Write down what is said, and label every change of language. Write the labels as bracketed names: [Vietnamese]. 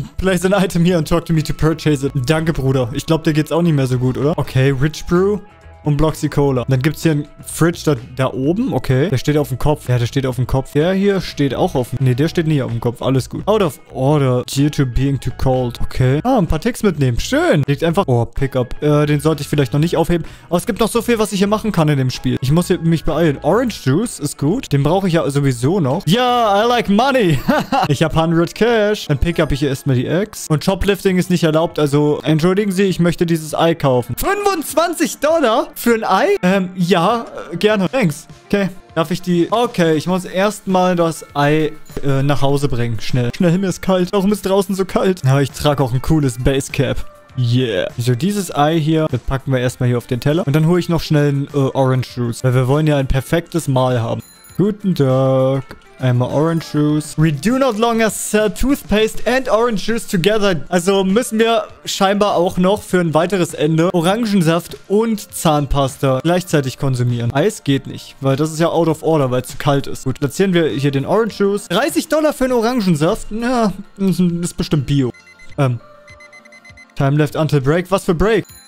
[English] Place an item here and talk to me to purchase it. [German] Danke, Bruder. Ich glaube, dir geht's auch nicht mehr so gut, oder? Okay, Rich Brew und Bloxy Cola. Dann gibt's hier einen Fridge da oben. Okay. Der steht auf dem Kopf. Ja, der steht auf dem Kopf. Der hier steht auch auf dem... Nee, der steht nicht auf dem Kopf. Alles gut. [English] Out of order. Due to being too cold. [German] Okay. Ah, ein paar Ticks mitnehmen. Schön. Liegt einfach... Oh, Pickup. Den sollte ich vielleicht noch nicht aufheben. Aber es gibt noch so viel, was ich hier machen kann in dem Spiel. Ich muss hier mich beeilen. Orange Juice ist gut. Den brauche ich ja sowieso noch. Ja, [English] yeah, I like money. [German] Ich habe 100 Cash. Dann pick up ich hier erstmal die Eggs. Und Shoplifting ist nicht erlaubt. Also, entschuldigen Sie, ich möchte dieses Ei kaufen. $25? Für ein Ei? Ja, gerne. Thanks. Okay. Darf ich die... Okay, ich muss erstmal das Ei nach Hause bringen. Schnell. Schnell, mir ist kalt. Warum ist draußen so kalt? Na, ich trage auch ein cooles Basecap. Yeah. So, dieses Ei hier, das packen wir erstmal hier auf den Teller. Und dann hole ich noch schnell ein Orange Juice. Weil wir wollen ja ein perfektes Mahl haben. Guten Tag. Einmal Orange Juice. [English] We do not longer sell Toothpaste and Orange Juice together. [German] Also müssen wir scheinbar auch noch für ein weiteres Ende Orangensaft und Zahnpasta gleichzeitig konsumieren. Eis geht nicht, weil das ist ja [English] out of order, [German] weil es zu kalt ist. Gut, platzieren wir hier den Orange Juice. $30 für einen Orangensaft? Na, ist bestimmt Bio. [English] Time left until break. [German] Was für Break?